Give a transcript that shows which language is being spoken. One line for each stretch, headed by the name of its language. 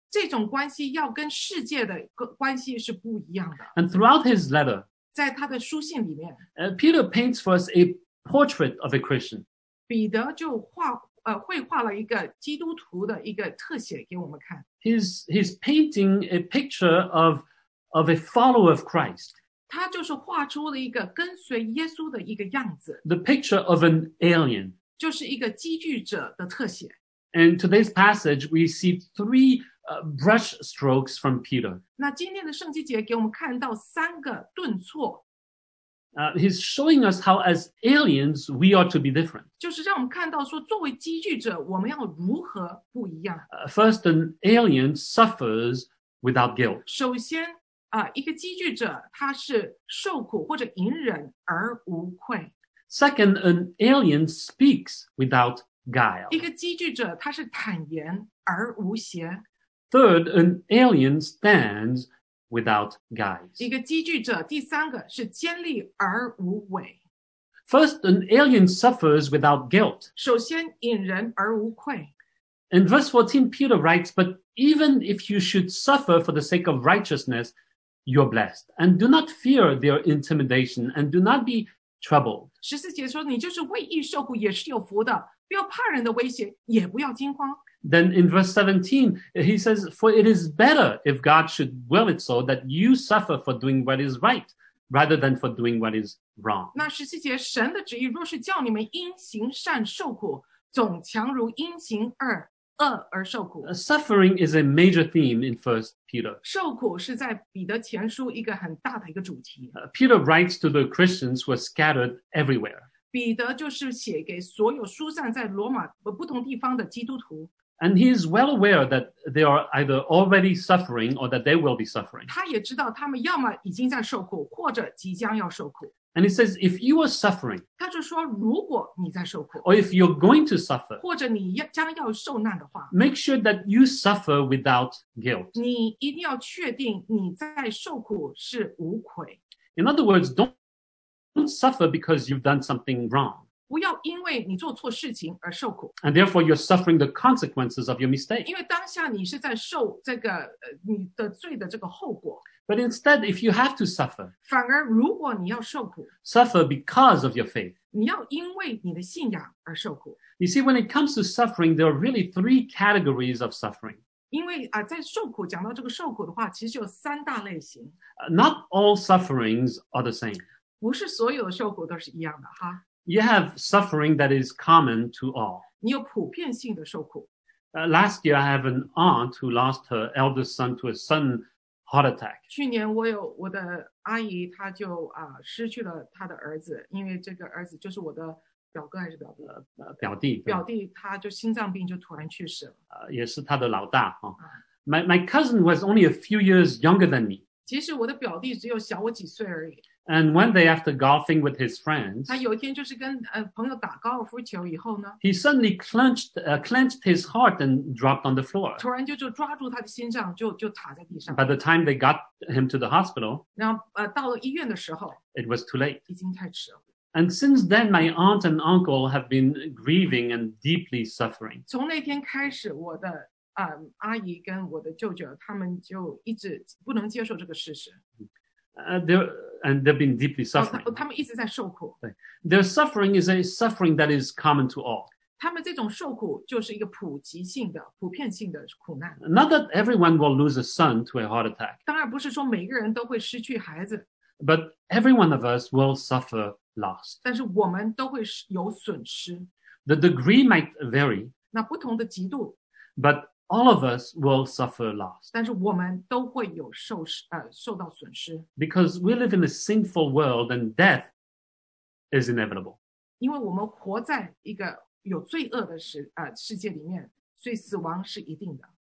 Chinese: 这种关系要跟世界的关系是不一样的。
English: And throughout his letter,
Chinese: 在他的书信里面
English: Peter paints for us a portrait of a Christian.
Chinese: 彼得就画绘画了一个基督徒的一个特写给我们看。
English: He's painting a picture of a follower of Christ.
Chinese: 他就是画出了一个跟随耶稣的一个样子。
English: The picture of an alien.
Chinese: 就是一个寄居者的特写。
English: And today's passage, we see three brush strokes from Peter.
Chinese: 那今天的圣经节给我们看到三个顿挫。
English: He's showing us how, as aliens, we ought to be different.
Chinese: 就是让我们看到说，作为寄居者，我们要如何不一样。
English: First, an alien suffers without guilt.
Chinese: 首先，一个寄居者他是受苦或者隐忍而无愧。
English: Second, an alien speaks without guile.
Chinese: 一个寄居者他是坦言而无邪。
English: Third, an alien stands. Without guise.
Chinese: 一个寄居者，第三个是坚立而无伪。
English: First, an alien suffers without guilt.
Chinese: 首先隐忍而无愧。
English: In verse 14, Peter writes, But even if you should suffer for the sake of righteousness, you're blessed. And do not fear their intimidation, and do not be troubled.
Chinese: 十四节说，你就是为义受苦也是有福的，不要怕人的威胁，也不要惊慌。
English: Then in verse 17, he says, For it is better if God should will it so that you suffer for doing what is right, rather than for doing what is wrong.
Chinese: 那十七节，神的旨意若是叫你们因行善受苦，总强如因行恶而受苦。
English: Suffering is a major theme in 1 Peter.
Chinese: 受苦是在彼得前书一个很大的一个主题。
English: Peter writes to the Christians who are scattered everywhere.
Chinese: 彼得就是写给所有疏散在罗马不同地方的基督徒。
English: And he is well aware that they are either already suffering or that they will be suffering.
Chinese: 他也知道他们要么已经在受苦或者即将要受苦。
English: And he says, if you are suffering,
Chinese: 他就说如果你在受苦
English: or if you're going to suffer,
Chinese: 或者你将要受难的话
English: make sure that you suffer without guilt.
Chinese: 你一定要确定你在受苦是无愧。
English: In other words, don't suffer because you've done something wrong.
Chinese: 不要因为你做错事情而受苦。
English: And therefore you're suffering the consequences of your mistake.
Chinese: 因为当下你是在受这个你的罪的这个后果。
English: But instead, if you have to suffer,
Chinese: 反而如果你要受苦
English: suffer because of your faith.
Chinese: 你要因为你的信仰而受苦。
English: You see, when it comes to suffering, there are really three categories of suffering.
Chinese: 因为在受苦讲到这个受苦的话其实有三大类型。
English: Not all sufferings are the same.
Chinese: 不是所有的受苦都是一样的哈。
English: You have suffering that is common to all.
Chinese: 你有普遍性的受苦。
English: Last year, I have an aunt who lost her eldest son to a sudden heart attack.
Chinese: 去年我有我的阿姨，她就失去了她的儿子，因为这个儿子就是我的表哥还是表弟？表弟。表弟，他就心脏病就突然去世了。也是他的老大哈。
English: My cousin was only a few years younger than me.
Chinese: 其实我的表弟只有小我几岁而已。
English: And one day after golfing with his friends,
Chinese: 他有一天就是跟朋友打高尔夫球以后呢
English: he suddenly clenched his heart and dropped on the floor.
Chinese: 突然就抓住他的心脏就躺在地上。
English: By the time they got him to the hospital,
Chinese: 然后到了医院的时候
English: it was too late.
Chinese: 已经太迟了。
English: And since then, my aunt and uncle have been grieving and deeply suffering.
Chinese: 从那天开始我的阿姨跟我的舅舅他们就一直不能接受这个事实。
English: They've been deeply suffering.
Chinese: 他们一直在受苦。
English: Their suffering is a suffering that is common to all.
Chinese: 他们这种受苦就是一个普及性的、普遍性的苦难。
English: Not that everyone will lose a son to a heart attack.
Chinese: 当然不是说每个人都会失去孩子。
English: But every one of us will suffer loss.
Chinese: 但是我们都会有损失。
English: The degree might vary.
Chinese: 那不同的极度。
English: But All of us will suffer loss.
Chinese: 但是我们都会有受到损失。
English: Because we live in a sinful world and death is inevitable.
Chinese: 因为我们活在一个有罪恶的世界里面，所以死亡是一定的。